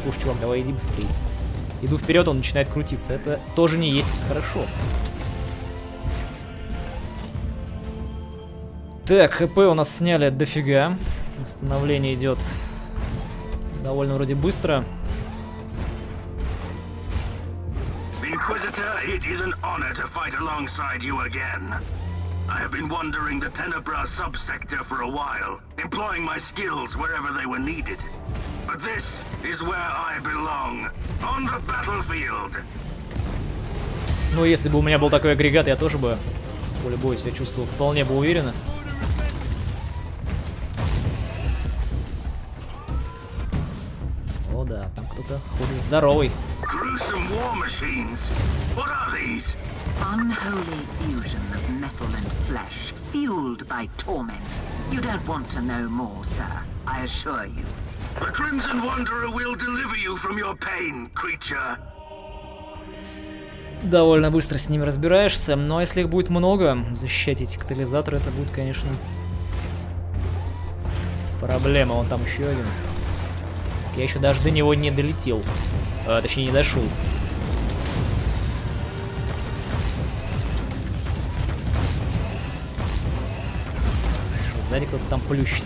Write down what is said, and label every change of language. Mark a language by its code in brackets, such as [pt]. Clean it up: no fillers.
[ru] Слушай, чувак, давай иди быстрее. Иду вперед, он начинает крутиться. Это тоже не есть хорошо. Так, хп у нас сняли дофига. Восстановление идет довольно вроде быстро. [en] It is an honor to fight alongside you again. I have been wandering the Tenebra subsector for a while, employing my skills wherever they were needed. But this is where I belong, on the battlefield. [ru] Ну, если бы у меня был такой агрегат, я тоже бы по-любому себя чувствовал вполне бы уверенно. О да, там кто-то ходит здоровый. [en] Gruesome war machines. What are these? Unholy fusion of metal and flesh, fueled by torment. You don't want to know more, sir, I assure you. The Crimson Wanderer will deliver you from your pain, creature. [ru] Довольно быстро с ними разбираешься, но если их будет много, защищать эти катализаторы, это будет, конечно, проблема. Вон там еще один. Я еще даже до него не долетел. Точнее, не дошел. Что, сзади кто-то там плющит.